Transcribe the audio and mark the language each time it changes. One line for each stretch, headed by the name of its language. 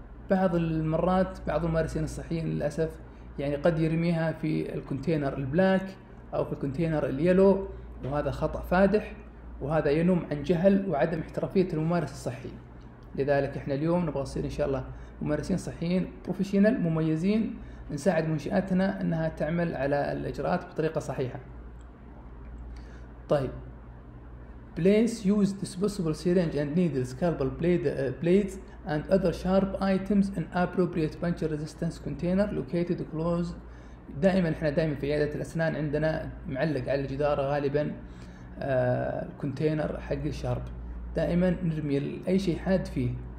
Arabic: بعض المرات بعض الممارسين الصحيين للأسف يعني قد يرميها في الكونتينر البلاك أو في الكونتينر اليلو، وهذا خطأ فادح وهذا ينم عن جهل وعدم احترافية الممارس الصحي. لذلك احنا اليوم نبغى نصير ان شاء الله ممارسين صحيين بروفيشنال مميزين، نساعد منشآتنا انها تعمل على الاجراءات بطريقة صحيحة. طيب
English: Please use disposable syringe and needles, scalpel, blades and other sharp items in appropriate puncture resistance container located close.
Arabic: دائما احنا دائما في عيادة الاسنان عندنا معلق على الجدار غالبا الكونتينر حق الشارب، دائما نرمي اي شيء حاد فيه.